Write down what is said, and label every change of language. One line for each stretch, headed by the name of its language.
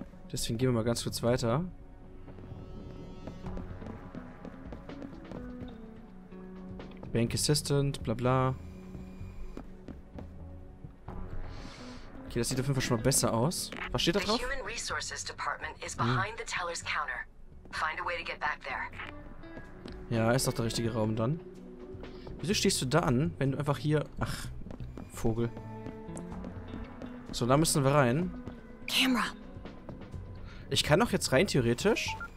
German: Deswegen gehen wir mal ganz kurz weiter.
English: Bank Assistant, bla bla.
German: Okay, das sieht auf jeden Fall schon mal besser aus. Was steht da drauf?
English: Human Resources Department is behind the teller's counter. Find a way to get back there.
German: Ja, ist doch der richtige Raum dann. Wieso stehst du da an, wenn du einfach hier... Ach, Vogel. So, da müssen wir rein.
English: Camera.
German: Ich kann doch jetzt rein, theoretisch.